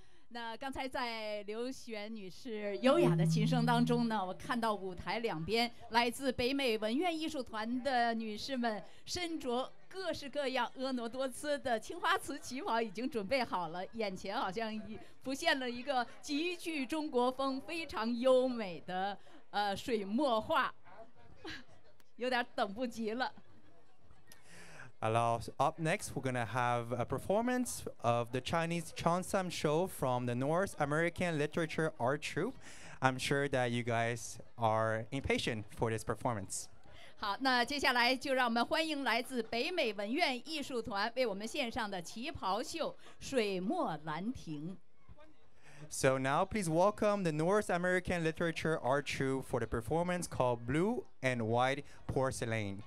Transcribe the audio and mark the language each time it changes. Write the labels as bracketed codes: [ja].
[zh] 那刚才在刘璇女士优雅的琴声当中呢，我看到舞台两边来自北美文苑艺术团的女士们身着各式各样婀娜多姿的青花瓷旗袍已经准备好了，眼前好像已浮现了一个极具中国风非常优美的水墨画，有点等不及了。 [en] Hello. Up next, we're going to have a performance of the Chinese Chansam show from the North American Literature Art Troupe. I'm sure that you guys are impatient for this performance. [zh] 好，那接下来就让我们欢迎来自北美文苑艺术团为我们献上的旗袍秀《水墨兰亭》。 [en] So now, please welcome the North American Literature Art Troupe for the performance called Blue and White Porcelain.